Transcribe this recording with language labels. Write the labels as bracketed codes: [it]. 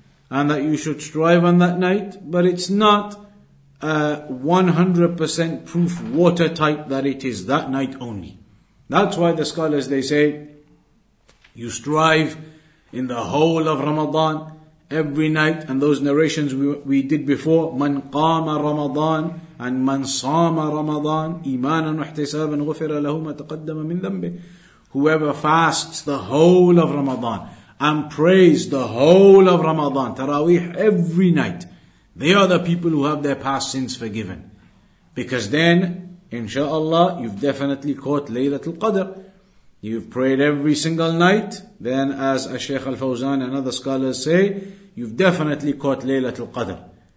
[en] And that you should strive on that night. But it's not 100% proof watertight that it is that night only. That's why the scholars, they say, you strive in the whole of Ramadan, every night. And those narrations we did before, [ar] من قام رمضان and من صام رمضان إيمانا واحتسابا غفر له ما تقدم من ذنبه. [en] Whoever fasts the whole of Ramadan and praise the whole of Ramadan, Taraweeh, every night, they are the people who have their past sins forgiven. Because then, inshallah, you've definitely caught Laylatul Qadr. You've prayed every single night. Then, as Sheikh Al-Fawzan and other scholars say, you've definitely caught Laylatul Qadr.